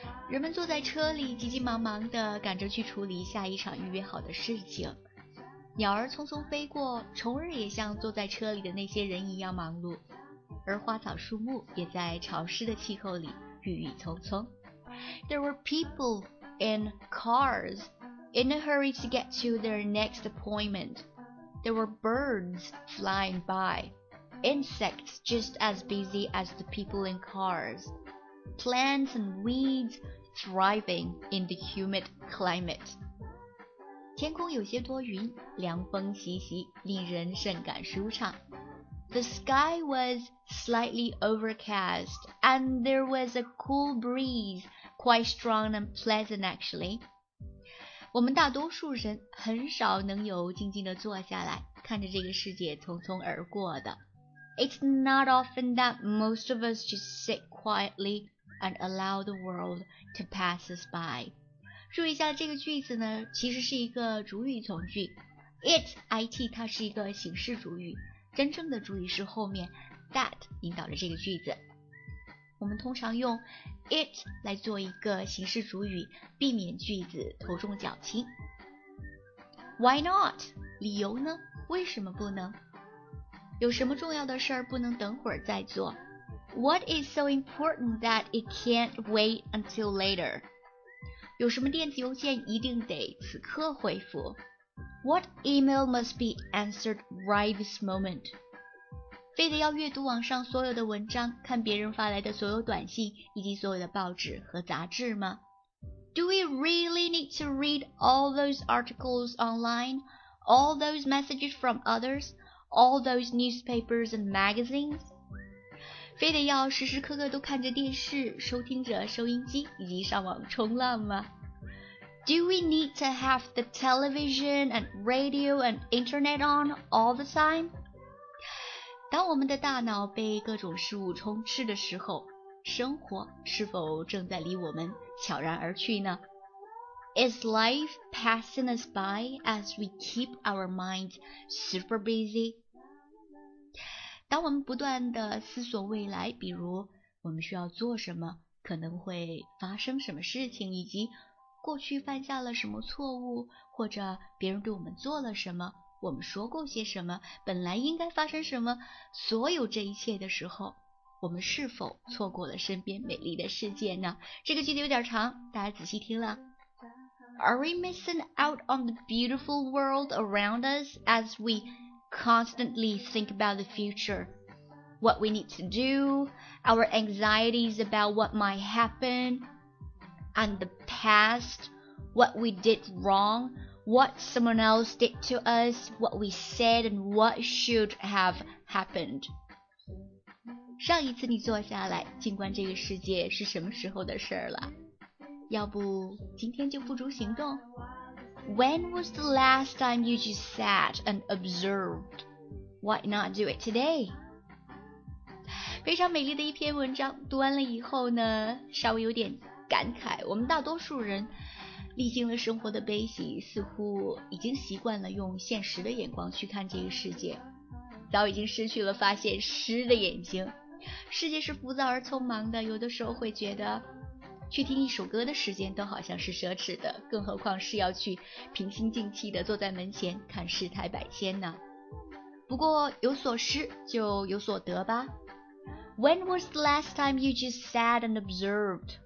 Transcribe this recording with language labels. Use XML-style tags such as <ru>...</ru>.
<zh>人们坐在车里，急急忙忙地赶着去处理下一场预约好的事情。鸟儿匆匆飞过，虫儿也像坐在车里的那些人一样忙碌，而花草树木也在潮湿的气候里郁郁葱葱。</zh> <en>There were people in cars in a hurry to get to their next appointment. There were birds flying by, insects just as busy as the people in cars, plants and weeds thriving in the humid climate.</en> <zh>天空有些多云，凉风习习，令人甚感舒畅。</zh> <en>The sky was slightly overcast, and there was a cool breeze, quite strong and pleasant actually.</en> <zh>我们大多数人很少能有静静地坐下来，看着这个世界匆匆而过的。</zh> <en>It's not often that most of us just sit quietly and allow the world to pass us by.</en> <zh>注意一下这个句子呢，其实是一个主语从句。 It, 它是一个形式主语，真正的主语是后面 that 引导着这个句子。我们通常用 it 来做一个形式主语，避免句子头重脚轻。</zh> <en>Why not?</en> <zh>理由呢？为什么不能？有什么重要的事儿不能等会儿再做？</zh> <en>What is so important that it can't wait until later?</en> <zh>有什么电子邮件一定得此刻回复？</zh> <en>What email must be answered right this moment?</en> <zh>非得要阅读网上所有的文章，看别人发来的所有短信，以及所有的报纸和杂志吗？</zh> <en>Do we really need to read all those articles online? All those messages from others? All those newspapers and magazines?</en> <zh>非得要时时刻刻都看着电视，收听着收音机，以及上网冲浪吗？</zh> <en>Do we need to have the television and radio and internet on all the time?</en> <zh>当我们的大脑被各种事物充斥的时候，生活是否正在离我们悄然而去呢？</zh> <en>Is life passing us by as we keep our minds super busy?</en> <zh>当我们不断地思索未来，比如我们需要做什么，可能会发生什么事情，以及过去犯下了什么错误，或者别人对我们做了什么，我们说过些什么，本来应该发生什么，所有这一切的时候，我们是否错过了身边美丽的世界呢？这个句子有点长，大家仔细听了。</zh> <en>Are we missing out on the beautiful world around us as weconstantly think about the future, what we need to do, our anxieties about what might happen, and the past, what we did wrong, what someone else did to us, what we said, and what should have happened.</en> <zh>上一次你坐下来，静观这个世界是什么时候的事了？要不今天就付诸行动？</zh> <en>When was the last time you just sat and observed? Why not do it today?</en> <zh>非常美丽的一篇文章，读完了以后呢，稍微有点感慨。我们大多数人历经了生活的悲喜，似乎已经习惯了用现实的眼光去看这个世界，早已经失去了发现诗的眼睛。世界是浮躁而匆忙的，有的时候会觉得去听一首歌的时间都好像是奢侈的，更何况是要去平心静气地坐在门前看世态百千呢？不过有所失就有所得吧。</zh> <en>When was the last time you just sat and observed?</en>